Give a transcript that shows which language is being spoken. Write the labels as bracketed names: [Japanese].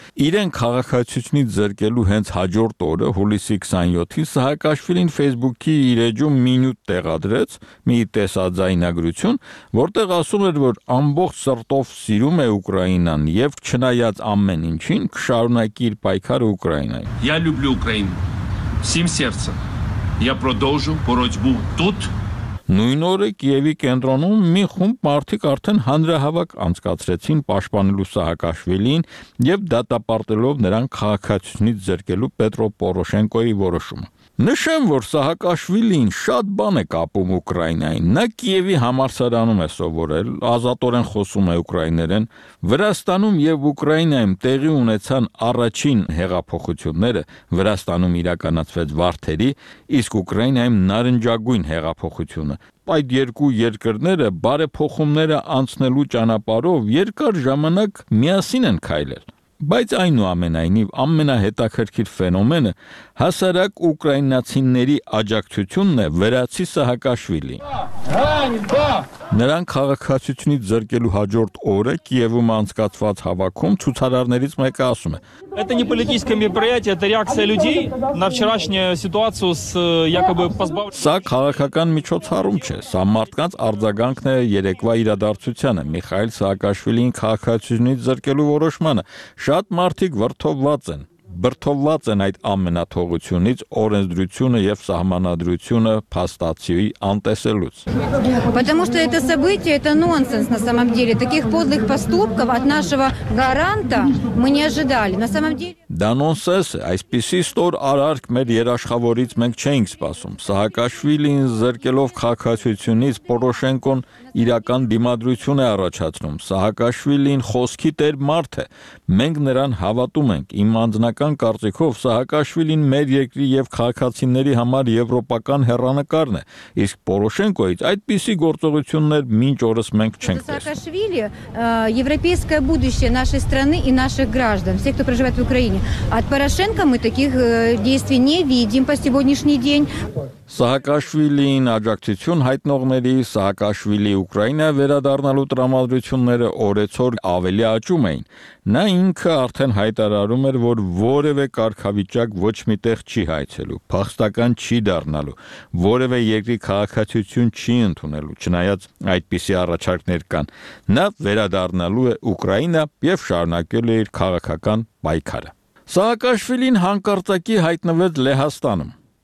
[Armenian] Իրեն քաղաքացիությունից զրկելու հենց հաջորդ օրը, հուլիսի 27-ին, Սահակաշվիլին Facebook-ի իր էջում մինյուտ տեղադրեց, մի տեսաձայնագրություն, որտեղ ասում էր, որ ամբողջ սրտով սիրում է Ուկրաինան և չնայած ամեն ինչին, կշարունակի իր պայքարը Ուկրաինային։ [Russian] Я люблю Украину всем сердцем. Я продолжу боротьбу тут. [Armenian] Նույն օրը Կիևի կենտրոնում մի խումբ մարդիկ արդեն հանրահավաք անցկացրեցին պաշտպանելու Սահակաշվիլին եւ դատապարտելով նրան քաղաքացիությունից զրկելու Պետրո Պորոշենկոյի որոշումը։ Նշեմ, որ Սահակաշվիլին շատ բան է կապում Ուկրաինային։ Նա Կիևի համալսարանում է սովորել, ազատորեն խոսում է ուկրաիներեն։ Վրաստանում եւ Ուկրաինայում տեղի ունեցան առաջին հեղափոխությունները, Վրաստանում իրականացվեց Վարդերի, իսկ Ուկրաինայում Նարնջագույն հեղափոխությունը։ Այդ երկու երկրները բարեփոխումները անցնելու ճանապարհով երկար ժամանակ միասին են քայլել։ Բայց այնուամենայնիվ ամենահետաքրքիր ֆենոմենը հասարակ ուկրաինացիների աջակցությունն է վերացի Սահակաշվիլի։ Նրան քաղաքացիությունից զրկելու հաջորդ օրը Կիևում անցկացված հավաքում ցուցարարներից մեկը ասում է. [Russian] Это не политическое мероприятие, это реакция людей на вчерашнюю ситуацию с якобы позбавлением. [Armenian] Սա քաղաքական միջոցառում չէ, սա մարդկանց արձագանքն է երեկվա իրադարձությանը, Միխայել Սահակաշվիլին քաղաքացիությունից զրկելու որոշմանը։ Շատ մարդիկ վրդովված են, այդ ամենաթողությունից օրենսդրությունը եւ սահմանադրությունը փաստացիի անտեսելուց։ [Russian] Потому что это событие это нонсенс на самом деле. Таких подлых поступков от нашего гаранта мы не ожидали. На самом деле [Armenian] Դա նոնսենս է, այսպիսի ստոր արարք մեր երաշխավորից մենք չենք սպասում։ Սահակաշվիլին զրկելով քաղաքացիությունից Պորոշենկոն իրական դիմադրություն է առաջացնում։ Սահակաշվիլին խոսքի տեր մարդ է։ Մենք նրան հավատում ենք։ Իմ անձնական կարծիքով Սահակաշվիլին մեր երկրի եւ քաղաքացիների համար եվրոպական հեռանկարն է, իսկ Պորոշենկոից այդպիսի գործողություններ մինչ օրս մենք չենք տեսել։ [Russian] Սահակաշվիլի եվրոպեական будущее нашей страны и наших граждан, всех кто проживает в Украине. От Порошенко мы таких действий не видим по сегодняшний день. [Armenian] Սահակաշվիլին աջակցություն հայտնողների Սահակաշվիլի Ուկրաինա վերադառնալու տրամադրությունները օրեցօր ավելի աճում էին։ Նա ինքը արդեն հայտարարում էր, որ որևէ կարգավիճակ ոչ մի տեղ չի հայցելու, փախստական չի դառնալու, որևէ երկրի քաղաքացիություն չի ընդունելու, չնայած այդպիսի առաջարկներ կան։ Նա վերադառնալու է Ուկրաինա և շարունակելու է իր քաղաքական պայքարը։ Սահակաշվիլին հանկարծակի հայտնվեց Լեհաստանում։